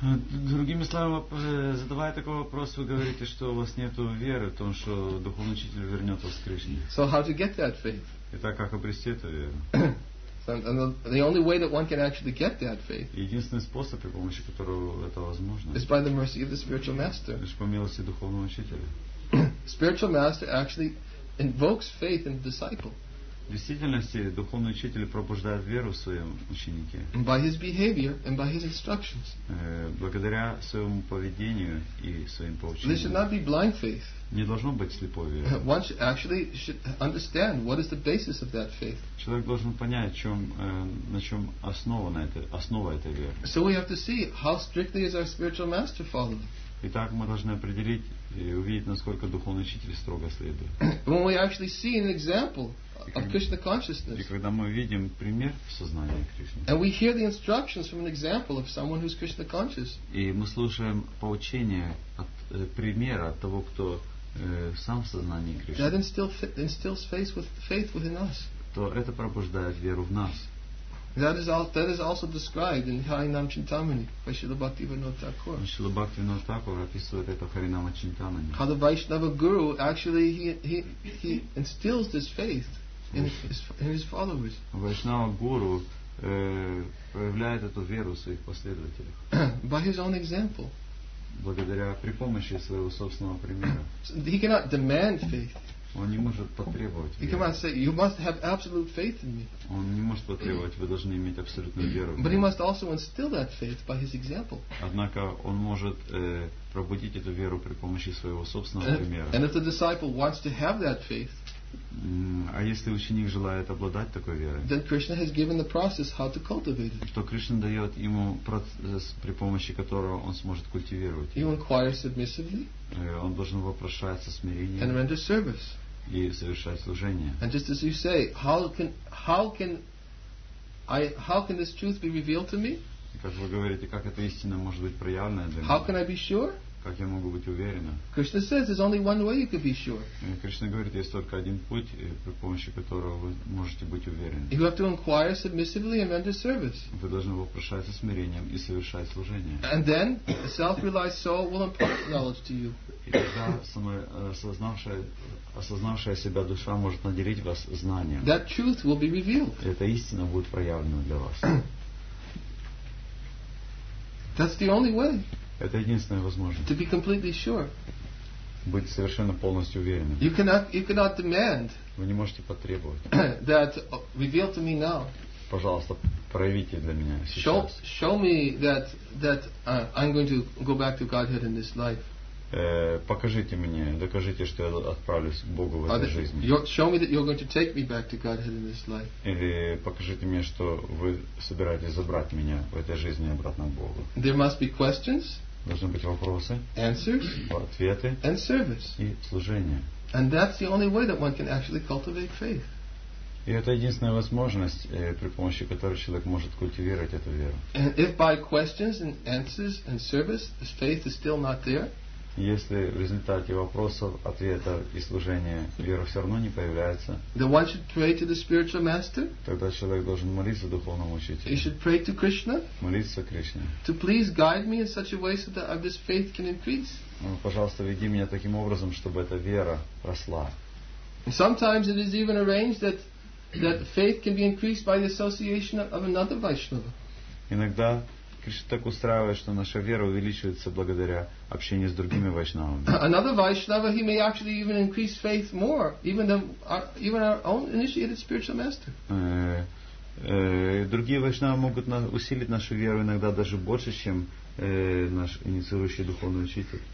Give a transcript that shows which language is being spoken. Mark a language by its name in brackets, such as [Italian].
[Russian] Другими словами, задавая такой вопрос, вы говорите, что у вас нет веры в том, что духовный учитель вернет вас к Кришне. [English] So how to get that faith? [Russian] Итак, как обрести эту веру? [English] And the only way that one can actually get that faith [Russian] Единственный способ, при помощи которого это возможно, [English] is by the mercy of the spiritual master. [Russian] Лишь по милости духовного учителя. [English] Spiritual master actually invokes faith in the disciple. [Russian] В действительности духовный учитель пробуждает веру в своем ученике. [English] By his behavior and by his instructions. [Russian] Благодаря своему поведению и своим поучениям. [English] There should not be blind faith. [Russian] Не должно быть слепой веры. [English] One should actually should understand what is the basis of that faith. [Russian] Человек должен понять, на чем основа этой веры. [English] So we have to see how strictly is our spiritual master following. [Russian] Итак, мы должны определить и увидеть, насколько духовный учитель строго следует. [English] When we actually see an example of Krishna consciousness. [Russian] И когда мы видим пример сознания Кришны. [English] And we hear the instructions from an example of someone who's Krishna conscious. [Russian] И мы слушаем поучение от примера того, кто сам в сознании Кришны. [English] That instills faith within us. [Russian] То это пробуждает веру в нас. [English] That is also described in Harinam Chintamani by Śrīla Bhaktivinoda Thakura. [Russian] Śrīla Bhaktivinoda Thakura описывает это Харинама Чинтамани. [English] How the Vaishnava guru actually he instills this faith in his followers. [Russian] Vaishnava guru проявляет эту веру в своих последователях. [English] By his own example. [Russian] Благодаря при помощи своего собственного примера. [English] He cannot demand faith. [Russian] Он не может потребовать. [English] He cannot say, you must have absolute faith in me. [Russian] Он не может потребовать, вы должны иметь абсолютную веру. [English] But he must also instill that faith by his example. [Russian] Однако он может пробудить эту веру при помощи своего собственного примера. [English] And if the disciple wants to have that faith, [Russian] а если ученик желает обладать такой верой, [English] then Krishna has given the process how to cultivate it. [Russian] То Кришна дает ему процесс, при помощи которого он сможет культивировать. [English] He will inquire submissively. [Russian] Он должен вопрошать со смирением. [English] And render service. [Russian] И совершать служение. [English] And just as you say, how can this truth be revealed to me? [Russian] Как вы говорите, как эта истина может быть проявлена для меня? [English] How can I be sure? [Russian] Как я могу быть уверена? [English] Krishna says there's only one way you could be sure. [Russian] Кришна говорит, есть только один путь, при помощи которого вы можете быть уверены. [English] You have to inquire submissively and render service. [Russian] Вы должны вопрошать со смирением и совершать служение. [English] And then the self-realized soul will impart knowledge to you. [Russian] И тогда осознавшая себя душа может наделить вас знанием. [English] That truth will be revealed. [Russian] Эта истина будет проявлена для вас. [English] That's the only way. [Russian] Это единственная возможность. [English] To be completely sure. [Russian] Быть совершенно полностью уверенным. [English] You cannot demand. [Russian] Вы не можете потребовать. [English] That reveal to me now. [Russian] Пожалуйста, проявите для меня сейчас. [English] Show me that I'm going to go back to Godhead in this life. [Russian] Покажите мне, докажите, что я отправлюсь к Богу в этой жизни. [English] Show me that you're going to take me back to Godhead in this life. [Russian] Или покажите мне, что вы собираетесь забрать меня в этой жизни обратно к Богу. [English] There must be questions. [Russian] Должны быть вопросы. [English] Answers. [Russian] Ответы. [English] And service. [Russian] И служение. [English] And that's the only way that one can actually cultivate faith. [Russian] И это единственная возможность, при помощи которой человек может культивировать эту веру. [English] And if by questions and answers and service the faith is still not there. [Russian] Если в результате вопросов, ответов и служения вера все равно не появляется, [English] then one should pray to the spiritual master. [Russian] Тогда человек должен молиться духовному учителю. [English] He should pray to Krishna. [Russian] Молиться Кришне. [English] To please guide me in such a way so that this faith can increase. [Russian] Пожалуйста, веди меня таким образом, чтобы эта вера росла. [English] Sometimes it is even arranged that faith can be increased by the association of another Vaishnava. [Russian] Иногда Кришна так устраивает, что наша вера увеличивается благодаря общению с другими вайшнавами. [English] Another vaishnava, he may actually even increase faith more, even our own initiated spiritual master. [Russian] Другие вайшнавы могут усилить нашу веру иногда даже больше, чем наш инициирующий духовный учитель.